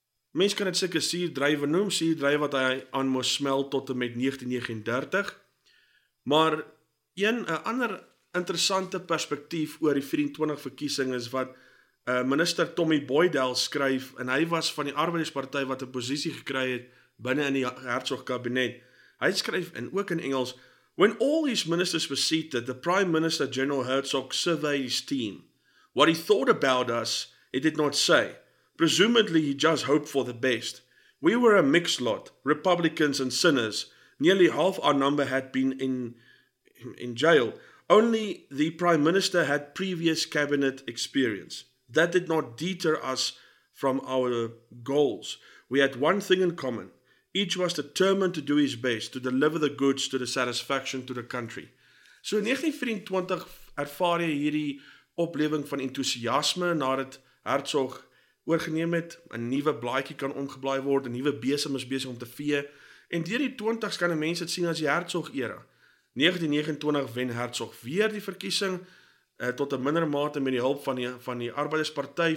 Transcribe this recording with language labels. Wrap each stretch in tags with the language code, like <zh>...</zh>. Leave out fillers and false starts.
<af>Mens kan dit seker suurdruiwe noem, suurdruiwe wat hy aan moes smel tot en met 1939, maar een ander interessante perspektief oor die 24 verkiesing is wat minister Tommy Boydell skryf, en hy was van die Arbeiderspartij wat 'n posisie gekry het binnen in die Hertzog kabinet. Hy skryf, en ook in Engels,</af> <en>"When all his ministers were seated, the Prime Minister General Hertzog surveyed his team. What he thought about us, he did not say. Presumably he just hoped for the best. We were a mixed lot, Republicans and sinners. Nearly half our number had been in jail. Only the Prime Minister had previous cabinet experience. That did not deter us from our goals. We had one thing in common. Each was determined to do his best to deliver the goods to the satisfaction to the country."</en> <af>So in 1924 ervaar jy hierdie opleving van enthousiasme nadat Hertzog oorgeneem het, 'n nuwe blaadjie kan omgeblaai word, 'n nuwe besem is besig om te vee, en deur die 20's kan 'n mens dit sien as die Hertzog era. 1929 wen Hertzog weer die verkiesing, tot 'n minder mate met die hulp van die Arbeiderspartij.</af>